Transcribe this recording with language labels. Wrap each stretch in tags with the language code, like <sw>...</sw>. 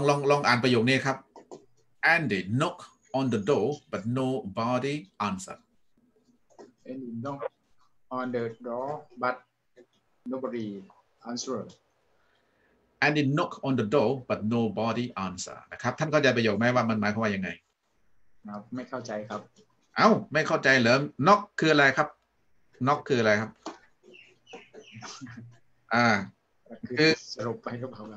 <th>ลองอ่านประโยคนี้ครับ</th> <en>Andy knock on the door but nobody answer Andy knock on the door but nobody answer Andy knock on the door but nobody answer</en> <th>นะครับท่านเข้าใจประโยคไหมว่ามันหมายความว่ายังไง ไม่เข้าใจครับ เอ้าไม่เข้าใจเหรอน็อกคืออะไรครับน็อกคืออะไรครับ คือสรุปไปก็เพราะแบ</th>